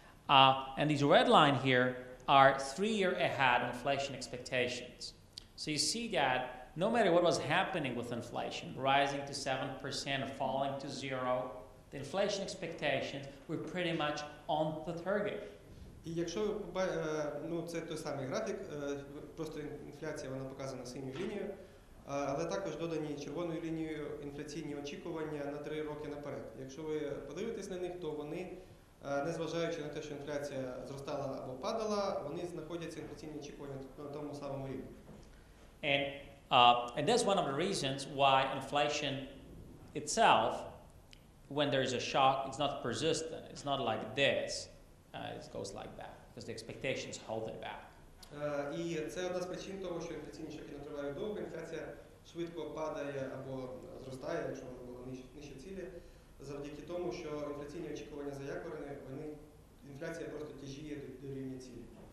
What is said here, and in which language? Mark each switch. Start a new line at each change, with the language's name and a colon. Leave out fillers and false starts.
English: And these red line here are 3 year ahead inflation expectations. So you see that no matter what was happening with inflation, rising to 7% or falling to zero, the inflation expectations were pretty much on the target.
Ukrainian: І якщо ну це той самий графік, просто інфляція вона показана синьою лінією, але також додані червоною лінією інфляційні очікування на 3 роки наперед. Якщо ви подивитесь на них, то вони, незважаючи на те, що інфляція зростала або падала, вони знаходяться інфляційні очікування на тому самому рівні.
English: And that's one of the reasons why inflation itself, when there is a shock, it's not persistent. It's not like this. It goes like that, because the expectations hold it back.
Ukrainian: І це одна з причин того, що інфляційні шоки не тривають довго, інфляція швидко падає або зростає, якщо вона була нижче цілі, завдяки тому, що інфляційні очікування заякорені, вони, інфляція просто тяжіє до рівня цілі.